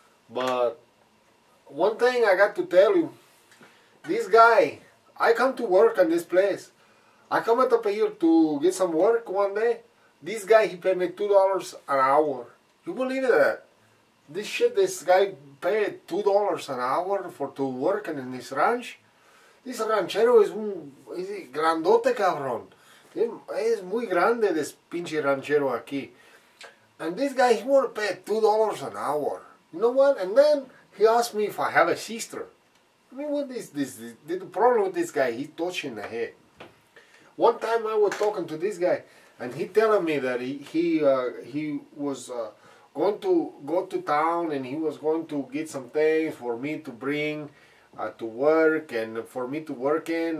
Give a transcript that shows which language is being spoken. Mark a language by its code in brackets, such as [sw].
[en] But one thing I got to tell you, this guy, I come to work on this place. I come up here to get some work one day. This guy, he paid me $2 an hour. You believe that? This shit, this guy paid $2 an hour for to work in this ranch. This ranchero is [es] grandote, cabrón. Es muy grande, this pinche ranchero aquí. [en] And this guy, he wanna pay $2 an hour. You know what? And then he asked me if I have a sister. I mean, what is this? The problem with this guy, he touching the head. One time I was talking to this guy, and he telling me that he was going to go to town, and he was going to get some things for me to bring to work and for me to work in.